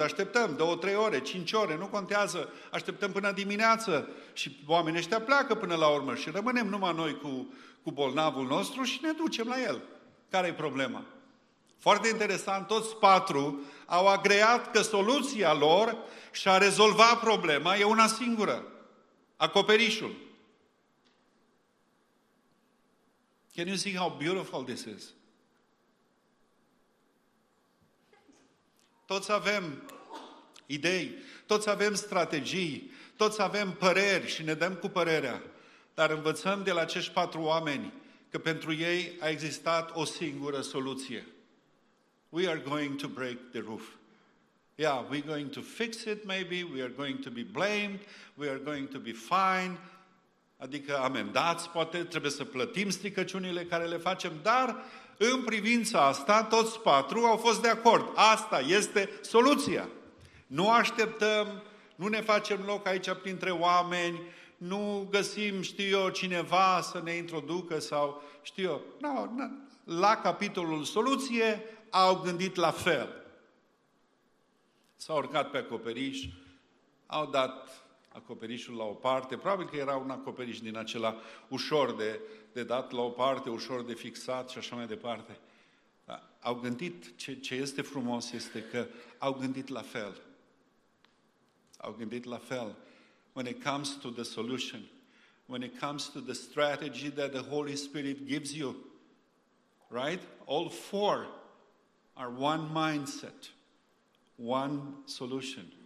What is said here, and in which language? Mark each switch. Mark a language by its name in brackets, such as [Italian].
[Romanian] Așteptăm 2-3 ore, 5 ore, nu contează. Așteptăm până dimineață și oamenii ăștia pleacă până la urmă și rămânem numai noi cu bolnavul nostru și ne ducem la el. Care e problema? Foarte interesant, toți patru au agreat că soluția lor și-a rezolvat problema e una singură. Acoperișul. [English] Can you see how beautiful this is? [Romanian] Toți avem idei, toți avem strategii, toți avem păreri și ne dăm cu părerea. Dar învățăm de la acești patru oameni că pentru ei a existat o singură soluție. [English] We are going to break the roof. Yeah, we're going to fix it maybe, we are going to be blamed, we are going to be fine. [Romanian] Adică amendați poate, trebuie să plătim stricăciunile care le facem, dar în privința asta, toți patru au fost de acord. Asta este soluția. Nu așteptăm, nu ne facem loc aici printre oameni, nu găsim, știu eu, cineva să ne introducă sau știu eu. No. La capitolul soluție au gândit la fel. S-au urcat pe acoperiș, au dat acoperișul la o parte. Probabil că era un acoperiș din acela ușor de dat la o parte, ușor de fixat și așa mai departe. Au gândit, ce este frumos este că au gândit la fel. Au gândit la fel. [English] When it comes to the solution, when it comes to the strategy that the Holy Spirit gives you, right? All four are one mindset, one solution.